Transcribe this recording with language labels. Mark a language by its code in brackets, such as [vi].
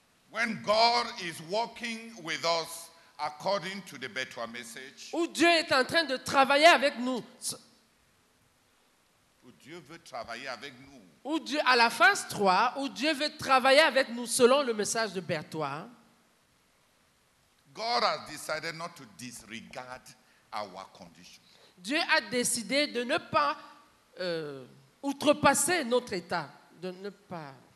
[en] When God is walking with us according to the Betwa message. [fr] Où Dieu est en train de travailler avec nous. Où Dieu veut travailler avec nous. Où Dieu, à la phase 3, où Dieu veut travailler avec nous selon le message de Betwa. [en] God has decided not to disregard our condition. [fr] Dieu a décidé de ne pas outrepasser notre état, de ne pas.